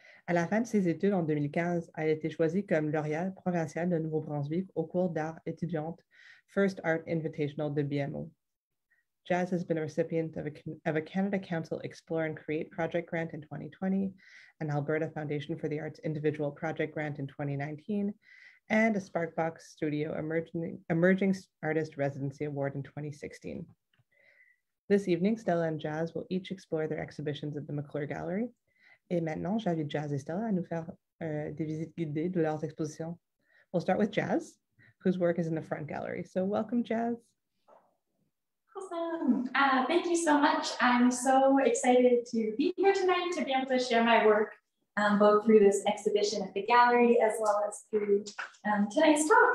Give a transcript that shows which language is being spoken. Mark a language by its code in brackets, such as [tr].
[fr] À la fin de ses études en 2015, elle a été choisie comme lauréate provinciale de Nouveau-Brunswick au cours d'art étudiante, first Art Invitational de BMO. [en] Jazz has been a recipient of a Canada Council Explore and Create Project Grant in 2020, an Alberta Foundation for the Arts Individual Project Grant in 2019, and a Sparkbox Studio Emerging Artist Residency Award in 2016. This evening, Stella and Jazz will each explore their exhibitions at the McClure Gallery. [fr] Et maintenant, j'invite Jazz et Stella à nous faire des visites guidées de leurs expositions. [en] We'll start with Jazz, whose work is in the front gallery. So welcome, Jazz. Awesome. Thank you so much. I'm so excited to be here tonight to be able to share my work both through this exhibition at the gallery as well as through tonight's talk.